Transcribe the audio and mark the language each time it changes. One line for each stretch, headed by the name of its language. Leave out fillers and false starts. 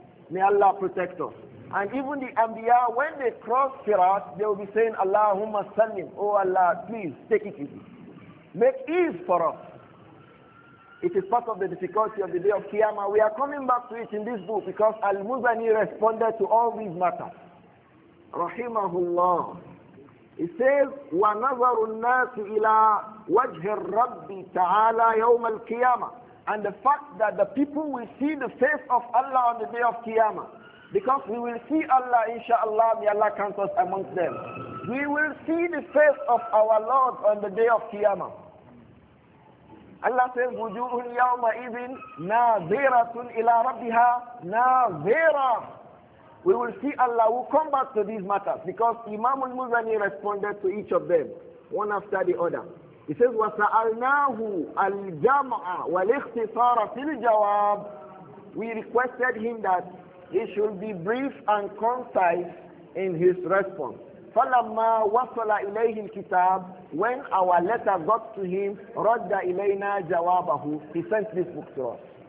English: May Allah protect us. And even the Anbiya, when they cross Sirat, they will be saying,
Arabic: Allahumma sallim,
English: oh Allah, please take it easy. Make ease for us. It is part of the difficulty of the day of Qiyamah. We are coming back to it in this book because Al-Muzani responded to all these matters. Rahimahullah. He says,
Arabic: وَنَظَرُ النَّاسُ إِلَىٰ وَجْهِ الرَّبِّ تَعَالَىٰ يَوْمَ الْقِيَامَةِ.
English: And the fact that the people will see the face of Allah on the day of Qiyamah. Because we will see Allah, inshallah, may Allah count us amongst them. We will see the face of our Lord on the day of Qiyamah. Allah says,
Arabic: وُجُوهٌ يَوْمَ إِذٍ نَاظِرَةٌ إِلَىٰ رَبِّهَا نَاظِرَةٌ.
English: We will see Allah. We'll come back to these matters. Because Imam al-Muzani responded to each of them, one after the other. He says,
Arabic: وَسَأَلْنَاهُ الْجَمْعَ وَالْإِخْتِصَارَ فِي الْجَوَابِ.
English: We requested him that he should be brief and concise in his response.
Arabic: فَلَمَّا وَصَلَ إِلَيْهِ الْكِتَابِ.
English: When our letter got to him,
Arabic: رَدَّ إِلَيْنَا جَوَابَهُ.
English: He sent this book to us.